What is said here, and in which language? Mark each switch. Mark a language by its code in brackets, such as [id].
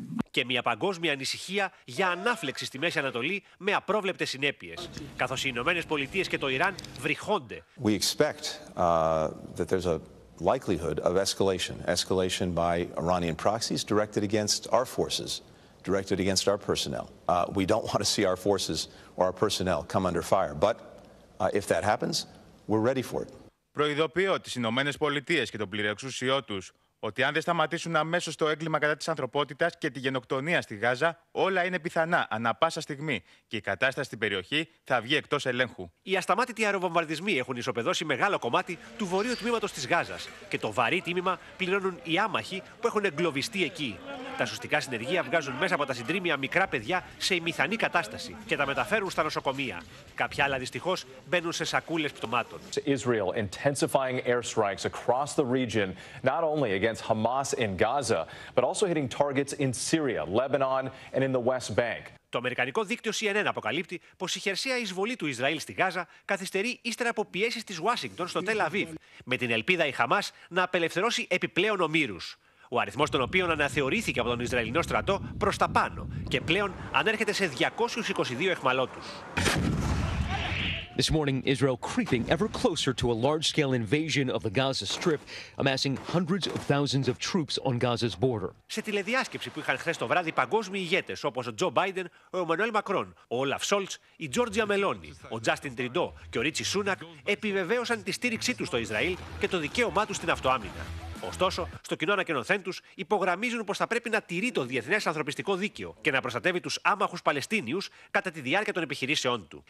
[el] Και μια παγκόσμια ανησυχία για ανάφλεξη στη Μέση Ανατολή με απρόβλεπτες συνέπειες, καθώς οι Ηνωμένες Πολιτείες και το Ιράν βρυχώνται. [en] We expect that there's a likelihood of escalation by Iranian proxies directed against our forces, directed against our personnel. We don't want to see our forces or our personnel come under fire, but if that happens, we're ready for it. [el] Προειδοποιώ τις Ηνωμένες Πολιτείες και τον πληρεξουσιό τους ότι αν δεν σταματήσουν αμέσως το έγκλημα κατά της ανθρωπότητας και τη γενοκτονία στη Γάζα, όλα είναι πιθανά ανά πάσα στιγμή και η κατάσταση στην περιοχή θα βγει εκτός ελέγχου. Οι ασταμάτητοι αεροβομβαρδισμοί έχουν ισοπεδώσει μεγάλο κομμάτι του βορείου τμήματος της Γάζας και το βαρύ τίμημα πληρώνουν οι άμαχοι που έχουν εγκλωβιστεί εκεί. Τα σωστικά συνεργεία βγάζουν μέσα από τα συντρίμια μικρά παιδιά σε ημιθανή κατάσταση και τα μεταφέρουν στα νοσοκομεία. Κάποια άλλα δυστυχώς μπαίνουν σε σακούλες πτωμάτων. [en] Israel intensifying airstrikes across the region, not only against Hamas in Gaza, but also hitting targets in Syria, Lebanon and in the West Bank. [el] Το αμερικανικό δίκτυο CNN αποκαλύπτει πως η χερσαία εισβολή του Ισραήλ στη Γάζα καθυστερεί ύστερα από πιέσεις της Ουάσιγκτον στο Τελ Αβίβ, με την ελπίδα η Χαμάς να απελευθερώσει επιπλέον ομήρους. Ο αριθμός των οποίων αναθεωρήθηκε από τον Ισραηλινό στρατό προς τα πάνω και πλέον ανέρχεται σε 222 εχμαλώτους. [en] This morning, Israel creeping ever closer to a large-scale invasion of the Gaza Strip, amassing hundreds of thousands of troops on Gaza's border. [el] Σε τηλεδιάσκεψη που είχαν χθες το βράδυ παγκόσμιοι ηγέτες όπως ο Τζο Μπάιντεν, ο Εμμανουέλ Μακρόν, ο Όλαφ Σόλτς, η Τζόρτζια Μελόνι, ο Τζάστιν Τριντό και ο Ρίτσι Σούνακ επιβεβαίωσαν τη στήριξή τους στο Ισραήλ και το δικαίωμά τους στην αυτοάμυνα. Ωστόσο, στο κοινό ανακοινωθέν τους υπογραμμίζουν πως θα πρέπει να τηρεί το διεθνές ανθρωπιστικό δίκαιο και να προστατεύει τους άμαχους Παλαιστίνιους κατά τη διάρκεια των επιχειρήσεών του.